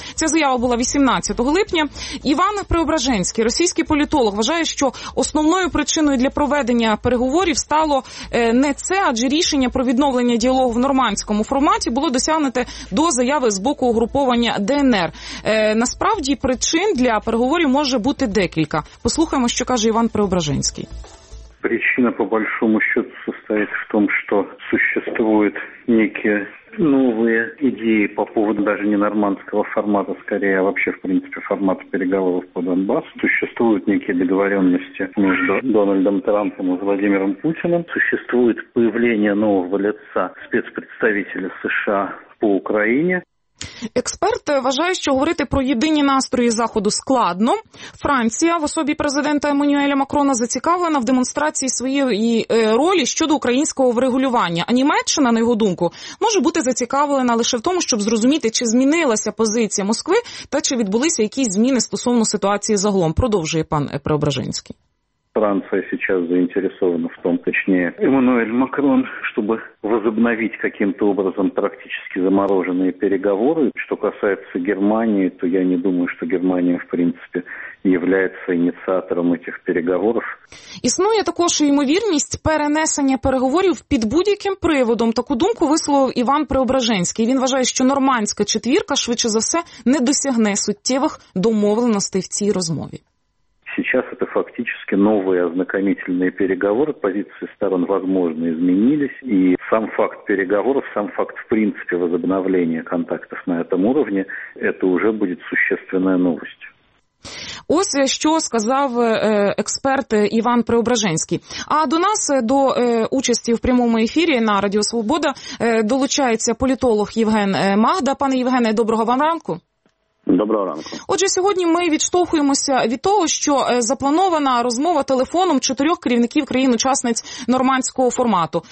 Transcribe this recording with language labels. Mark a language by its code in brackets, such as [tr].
[uk] Ця заява була 18 липня. Іван Преображенський, російський політолог, вважає, що основною причиною для проведення переговорів стало не це, адже рішення про відновлення діалогу в нормандському форматі було досягнуте до заяви з боку угруповання ДНР. Насправді причин для переговорів може бути декілька. Послухаємо, що каже Іван Преображенський. [ru] Причина, по большому счету, состоит в том, что существует некие новые идеи по поводу даже не нормандского формата, скорее, а вообще, в принципе, формата переговоров по Донбассу. Существуют некие договоренности между Дональдом Трампом и Владимиром Путиным. Существует появление нового лица спецпредставителя США по Украине. [uk] Експерт вважає, що говорити про єдині настрої Заходу складно. Франція в особі президента Еммануеля Макрона зацікавлена в демонстрації своєї ролі щодо українського врегулювання. А Німеччина, на його думку, може бути зацікавлена лише в тому, щоб зрозуміти, чи змінилася позиція Москви та чи відбулися якісь зміни стосовно ситуації загалом. Продовжує пан Преображенський. [ru] Франция сейчас заинтересована в том, точнее, Эммануэль Макрон, чтобы возобновить каким-то образом практически замороженные переговоры. Что касается Германии, то я не думаю, что Германия, в принципе, является инициатором этих переговоров. [uk] Існує також ймовірність перенесення переговорів під будь-яким приводом. Таку думку висловив Іван Преображенський. Він вважає, що нормандська четвірка, швидше за все, не досягне суттєвих домовленостей в цій розмові. [ru] Сейчас это фактически новые ознакомительные переговоры. Позиции сторон, возможно, изменились. И сам факт переговоров, сам факт, в принципе, возобновления контактов на этом уровне, это уже будет существенная новость. [uk] Ось що сказав експерт Іван Преображенський. А до нас, до участі в прямому ефірі на Радіо Свобода, долучається політолог Євген Магда. Пане Євгене, доброго вам ранку. Доброго ранку. Отже, сьогодні ми відштовхуємося від того, що запланована розмова телефоном чотирьох керівників країн-учасниць нормандського формату.